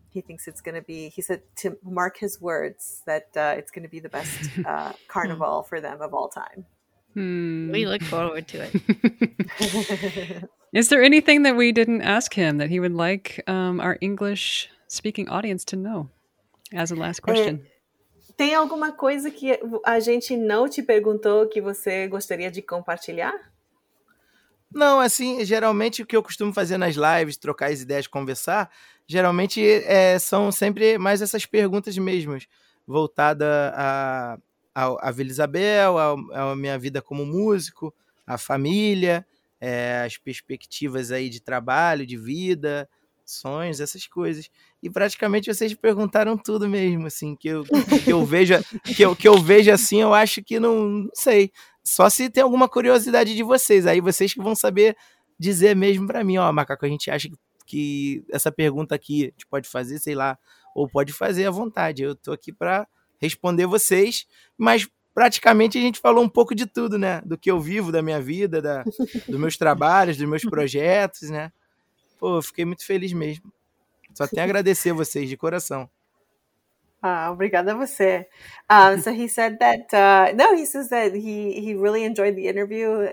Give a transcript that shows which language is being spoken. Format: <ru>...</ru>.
<en>He thinks it's going to be, he said, to mark his words, that it's going to be the best carnival for them of all time. We look forward to it. Is there anything that we didn't ask him that he would like our English speaking audience to know as a last question?</en> <pt>Tem alguma coisa que a gente não te perguntou que você gostaria de compartilhar? Não, assim, geralmente o que eu costumo fazer nas lives, trocar as ideias, conversar, geralmente são sempre mais essas perguntas mesmo, voltada a Vila Isabel, a minha vida como músico, a família, as perspectivas aí de trabalho, de vida, sonhos, essas coisas. E praticamente vocês perguntaram tudo mesmo, assim, que eu vejo assim, eu acho que não sei. Só se tem alguma curiosidade de vocês, aí vocês que vão saber dizer mesmo para mim, ó, Macaco, a gente acha que essa pergunta aqui a gente pode fazer, sei lá, ou pode fazer à vontade, eu tô aqui para responder vocês, mas praticamente a gente falou um pouco de tudo, né, do que eu vivo, da minha vida, dos meus trabalhos, dos meus projetos, né, pô, eu fiquei muito feliz mesmo, só tenho a agradecer a vocês de coração. Obrigada você.</pt> <en>So he said that, he says that he really enjoyed the interview.</en>